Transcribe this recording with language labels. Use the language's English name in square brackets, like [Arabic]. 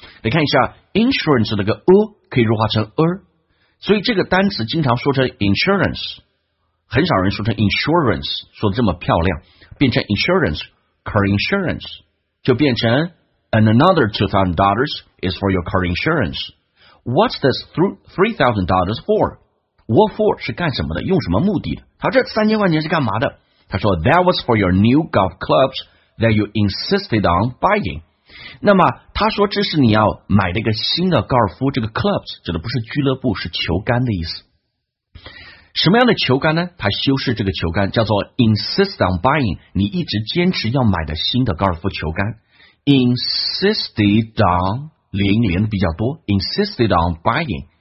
[Chinese] 来看一下 insurance 的个 a 可以弱化成 a， 所以这个单词经常说成 insurance， 很少人说成 insurance， 说的这么漂亮，变成 insurance， car insurance 就变成 [English] And another $2,000 is for your car insurance. What's this $3,000 for? What for [Chinese] 是干什么的，用什么目的的？他这三千块钱是干嘛的？他说 [English] That was for your new golf clubsThat you insisted on buying. [Chinese] 那么他说这是你要买的一个新的高尔夫，这个 clubs 指的不是俱乐部，是球杆的意思。什么样的球杆呢？它修饰这个球杆叫做 [English] insist on buying， [Chinese] 你一直坚持要买的新的高尔夫球杆。 [English] Insisted on [Chinese] 连连比较多 [English] ，insisted on buying。